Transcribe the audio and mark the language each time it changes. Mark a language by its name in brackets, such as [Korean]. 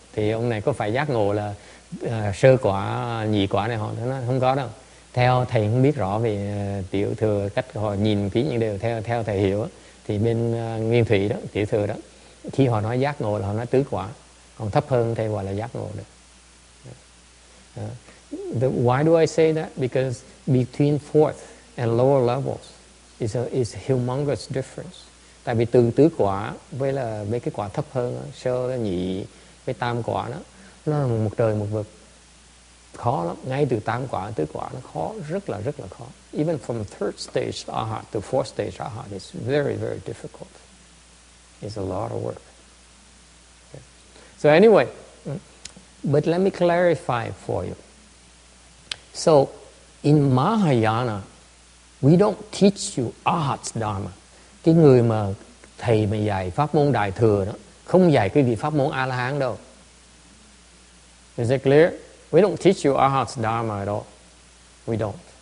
[Vietnamese] Thì ông này có phải giác ngộ là sơ quả, nhị quả này, họ nói không có đâu. Theo thầy không biết rõ về tiểu thừa, cách họ nhìn kỹ những điều theo thầy hiểu đó. Thì bên Nguyên Thủy đó, tiểu thừa đó, khi họ nói giác ngộ là họ nói tứ quả, còn thấp hơn thầy gọi là giác ngộ được. [English] Why do I say that? Because between fourth and lower levels is a humongous difference. [Vietnamese] Tại vì từ tứ quả với là mấy cái quả thấp hơn, sơ, nhị, với tam quả đó, nó là một trời một vực, khó lắm. Ngay từ tam quả tứ quả nó khó, rất là khó. [English] Even from third stage arhat to fourth stage arhat, it's very very difficult. It's a lot of work. Okay. So anyway, but let me clarify for you. So in Mahayana, we don't teach you arhat's dharma. [Vietnamese] Cái người mà thầy mà dạy pháp môn đại thừa đó, không dạy cái vị pháp môn a la hán đâu. [English] Is it clear? We don't teach you arhat's dharma at all. We don't.